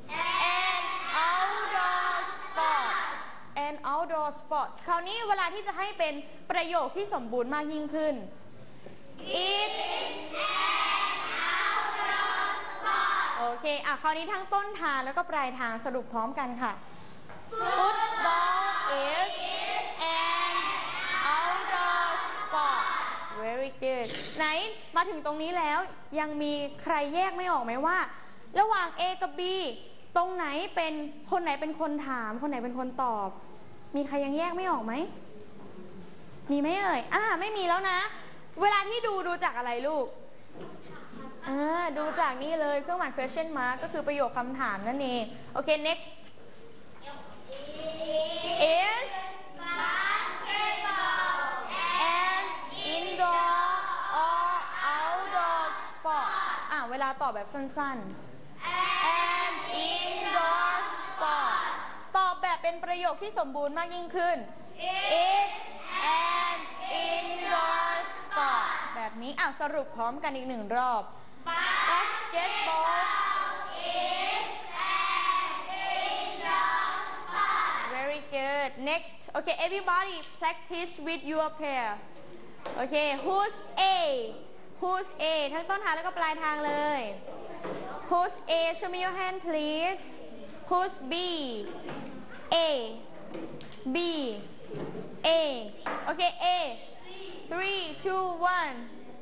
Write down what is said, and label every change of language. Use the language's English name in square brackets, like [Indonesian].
[English] an outdoor sport an outdoor sport [Thai] คราวนี้เวลาที่จะให้เป็นประโยคที่สมบูรณ์มากยิ่งขึ้น [English] It's an outdoor sport [Thai] โอเคอ่ะคราวนี้ทั้งต้นทางแล้วก็ปลายทางสรุปพร้อมกันค่ะ [English] Football is an outdoor sport Very good [Thai] ไหนมาถึงตรงนี้แล้วยังมีใครแยกไม่ออกไหมว่าระหว่าง A กับ B ตรงไหนเป็นคนไหนเป็นคนถามคนไหนเป็นคนตอบมีใครยังแยกไม่ออกไหมมีไหมเอ่ยไม่มีแล้วนะเวลาที่ดูจากอะไรลูกดูจากนี่เลยเครื่องหมาย question mark ก็คือประโยคคำถามนั่นเองโอเค [English] next is basketball an indoor or outdoor sport [Thai] เวลาตอบแบบสั้น [English] ๆ an indoor sport [Thai] ตอบแบบเป็นประโยคที่สมบูรณ์มากยิ่งขึ้น [English] it's an indoor [Thai] แบบนี้สรุปพร้อมกันอีกหนึ่งรอบ [English] Basketball is an indoor sport Very good Next Okay everybody practice with your pair Okay Who's A [Thai] ทั้งต้นทางแล้วก็ปลายทางเลย [English] Who's A show me your hand please Who's B A B A Okay A 3 2 1